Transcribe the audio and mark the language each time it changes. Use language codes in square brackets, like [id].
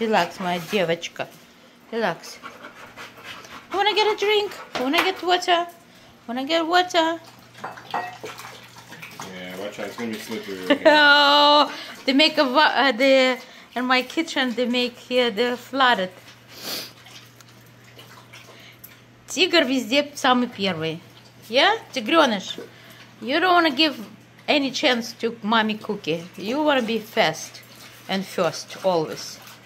[en] Relax, my [ru] девочка. [en] Relax. Wanna get a drink? Wanna get water? Wanna get water? Yeah, watch out. It's gonna be slippery. Oh, they make in my kitchen, they make here, yeah, they're flooded. [ru] Тигр везде самый первый. [en] Yeah? [ru] Тигреныш. [en] You don't want to give any chance to mommy Cookie. You want to be fast and first, always.